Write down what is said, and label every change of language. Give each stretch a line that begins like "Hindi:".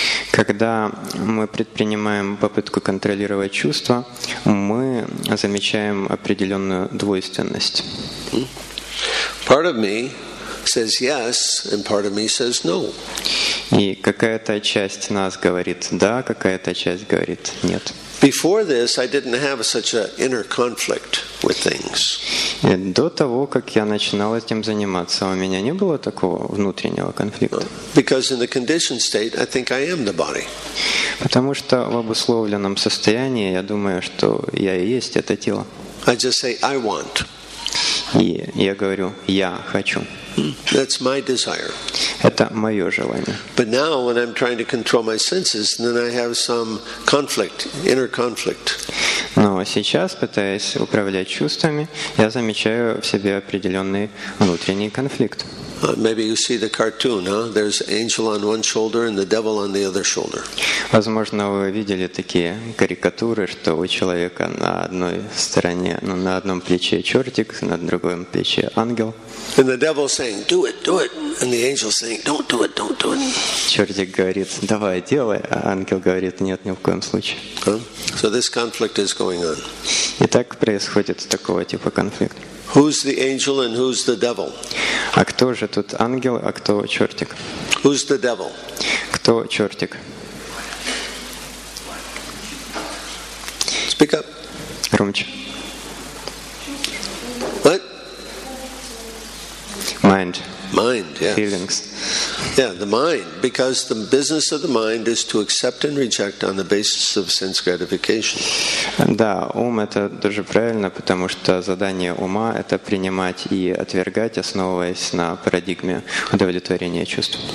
Russian: Когда мы предпринимаем попытку контролировать чувства, мы замечаем определенную двойственность.
English: Part of me says yes, and part of me says no.
Russian: И какая-то часть нас говорит да, какая-то часть говорит нет.
English: Before this, I didn't have such an inner conflict with things.
Russian: И до того, как я начинал этим заниматься, у меня не было такого внутреннего конфликта.
English: Because in the conditioned state, I think I am the body.
Russian: Потому что в обусловленном состоянии я думаю, что я и есть это тело.
English: I just say I want.
Russian: И я говорю, я хочу.
English: That's my desire.
Russian: Это мое желание.
English: But now, when I'm trying to control my senses, then I have some conflict, inner conflict.
Russian: Но сейчас, пытаясь управлять чувствами, я замечаю в себе определенный внутренний конфликт.
English: Maybe you see the cartoon, huh? There's angel on one shoulder and the devil on the other shoulder.
Russian: Возможно, вы видели такие карикатуры, что у человека на одной стороне, ну, на одном плече чертик, на другом плече ангел.
English: And the devil saying, "Do it, do it," and the angel saying, "Don't do it, don't do it."
Russian: Чертик говорит, давай делай, а ангел говорит, нет, ни в коем случае.
English: So this conflict is going on.
Russian: И так происходит такого типа конфликт.
English: Who's the angel and who's the devil?
Russian: А кто же тут ангел, а кто чертик?
English: Who's the devil?
Russian: Кто чертик?
English: Speak up.
Russian: Громче.
English: What? Mind. Mind, yes. Feelings. Yeah, the mind, because the business of the mind is to accept and reject on the basis of sense gratification.
Russian: Да, ум это дуже правильно, потому что задание ума это принимать и отвергать, основываясь на парадигме удовлетворения чувств.